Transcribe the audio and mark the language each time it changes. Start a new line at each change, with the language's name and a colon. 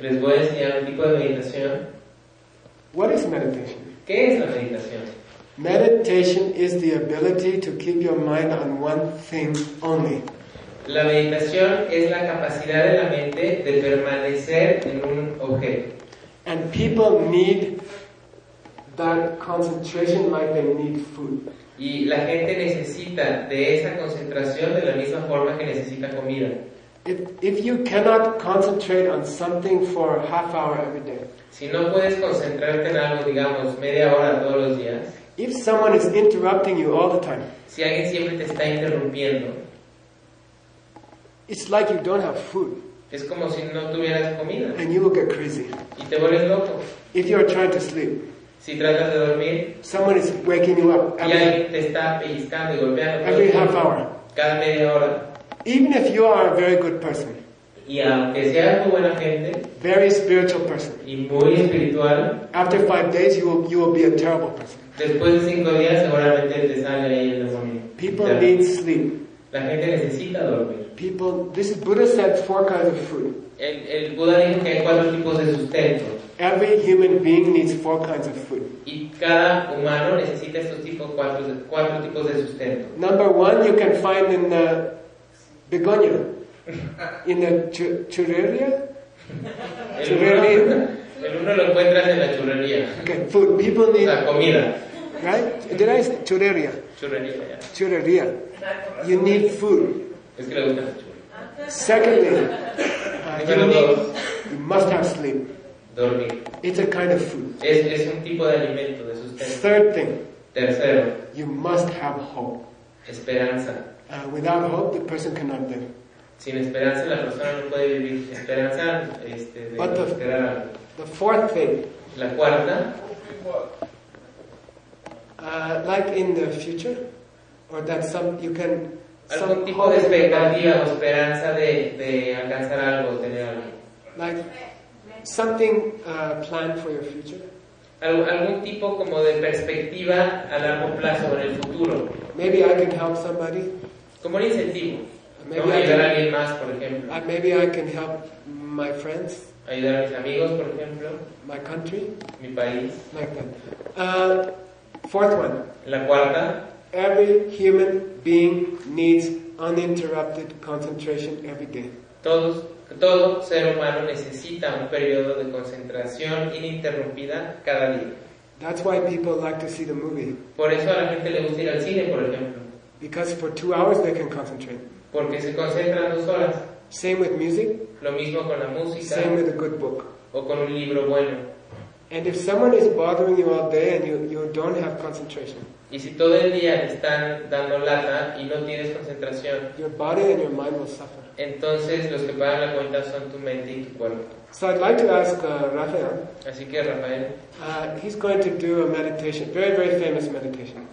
Spanish: Les voy a enseñar un tipo de meditación.
English: What is meditation?
Spanish: ¿Qué es la meditación?
English: Meditation is the ability to keep your mind on one thing only.
Spanish: La meditación es la capacidad de la mente de permanecer en un objeto.
English: And people need that concentration like they need food.
Spanish: Y la gente necesita de esa concentración de la misma forma que necesita comida.
English: If you cannot concentrate on something for a half hour every day.
Spanish: Si no puedes concentrarte en algo, digamos, media hora todos los días.
English: If someone is interrupting you all the time,
Spanish: si alguien siempre te está interrumpiendo,
English: it's like you don't have food.
Spanish: Es como si no tuvieras comida.
English: And you will get crazy.
Spanish: Y te vuelves loco.
English: If you are trying to sleep,
Spanish: si tratas de dormir,
English: someone is waking you up.
Spanish: Y alguien te está pellizcando y golpeando.
English: Every half hour.
Spanish: Cada media hora.
English: Even if you are a very good person.
Spanish: Y aunque seas muy buena gente,
English: very spiritual person.
Spanish: Y muy espiritual.
English: After 5 days, you will be a terrible person.
Spanish: Después de 5 días, seguramente te sale ahí el demonio.
English: People ya. Need sleep.
Spanish: La gente necesita dormir.
English: People, this is Buddha said 4 kinds of food.
Spanish: El Buda dijo que hay 4 tipos de sustento.
English: Every human being needs 4 kinds of food.
Spanish: Y cada humano necesita estos tipos 4 tipos de sustento.
English: Number one, you can find in the begonia. In the churrería?
Spanish: Churrería? El uno lo encuentras en la churrería.
English: Okay, food. People need...
Spanish: La comida.
English: Right? Did I say churrería? Churrería, yeah. Churrería. You need food.
Spanish: Es que le gusta la churrería.
English: Secondly, you must have sleep.
Spanish: Dormir.
English: It's a kind of food.
Spanish: Es un tipo de alimento, de sustento.
English: Third thing.
Spanish: Tercero.
English: You must have hope.
Spanish: Esperanza.
English: Without hope, the person cannot live.
Spanish: Sin esperanza la persona no puede vivir. Esperanza, de esperar algo.
English: The fourth thing.
Spanish: La cuarta.
English: Like in the future, or that some you can.
Spanish: Algún
English: some
Spanish: tipo de expectativa o esperanza de alcanzar algo, tener algo.
English: Like something planned for your future?
Spanish: Algún tipo como de perspectiva a largo plazo en el futuro.
English: Maybe I can help somebody.
Spanish: Como un incentivo.
English: Maybe
Spanish: ¿no? Ayudar a alguien más, por ejemplo.
English: Maybe I can help my friends.
Spanish: Ayudar a mis amigos, por ejemplo.
English: My country.
Spanish: Mi país.
English: Like that. Fourth one.
Spanish: La cuarta.
English: Every human being needs uninterrupted concentration every day.
Spanish: Todo ser humano necesita un periodo de concentración ininterrumpida cada día.
English: That's why people like to see the movie.
Spanish: Por eso a la gente le gusta ir al cine, por ejemplo.
English: Because for 2 hours they can concentrate.
Spanish: Porque se concentran 2 horas.
English: Same with music.
Spanish: Lo mismo con la música.
English: Same with a good book.
Spanish: O con un libro bueno.
English: And if someone is bothering you all day and you don't have concentration.
Spanish: Y si todo el día están dando lata y no tienes concentración.
English: Your body and your mind will suffer.
Spanish: Entonces los que pagan la cuenta son tu mente y tu cuerpo.
English: So I'd like to ask Rafael.
Spanish: Así que Rafael.
English: He's going to do a meditation, very very famous meditation.